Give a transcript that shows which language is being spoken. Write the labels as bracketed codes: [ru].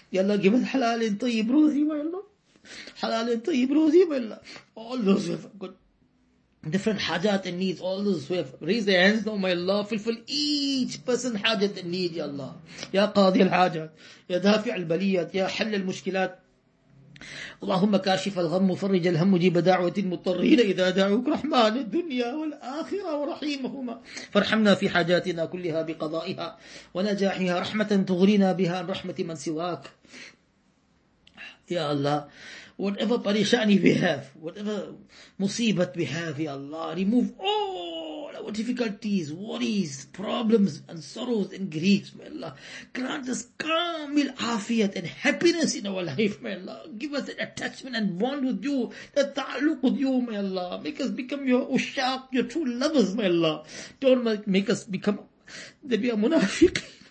[en] Ya Allah, give us halal and tayyib ruzi, may Allah. Halal and tayyib ruzi, may Allah. All those who have got different hajat and needs, all those who have raised their hands now, may Allah, fulfill each person hajat and need, ya Allah. [ar] Ya qadi al-hajat, ya dafi' al-baliyat, ya hal al-mushkilat. اللهم كاشف الغم مفرج الهم مجيب دعوة المضطرين إذا دعوك رحمن الدنيا والآخرة ورحيمهما فارحمنا في حاجاتنا كلها بقضائها ونجاحها رحمة تغرينا بها عن رحمة من سواك يا الله [en] whatever parishani we have, whatever musibat we have, ya Allah, remove all our difficulties, worries, problems and sorrows and griefs, may Allah. Grant us kamil afiyat and happiness in our life, may Allah. Give us an attachment and bond with you, a ta'aluk with you, may Allah. Make us become your ushaq, your true lovers, may Allah. Don't make us become the be a munafiq.